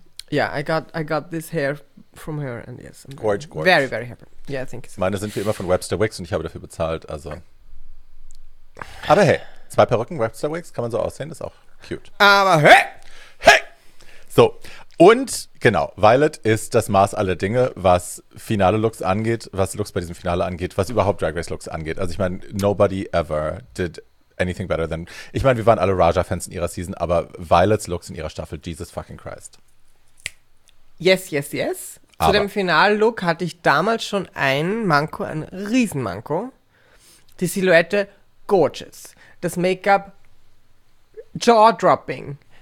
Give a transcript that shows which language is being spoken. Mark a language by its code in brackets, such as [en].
[en] Yeah, I got this hair from her. And yes, I'm gorge, gorge. Very, very happy. Yeah, thank you. So. [de] Meine sind wie immer von Webster Wigs und ich habe dafür bezahlt, also... Aber hey, zwei Perücken, Webster Wigs, kann man so aussehen, ist auch cute. Aber hey! Hey! So, und genau, Violet ist das Maß aller Dinge, was Finale-Looks angeht, was Looks bei diesem Finale angeht, was überhaupt Drag Race-Looks angeht. Also ich meine, [en] nobody ever did anything better than... [de] Ich meine, wir waren alle Raja-Fans in ihrer Season, aber Violets Looks in ihrer Staffel, [en] Jesus fucking Christ. Yes, yes, yes. [de] Aber. Zu dem Finale-Look hatte ich damals schon ein Manko, ein Riesenmanko. Die Silhouette... Gorgeous. Das Make-up, jaw-dropping.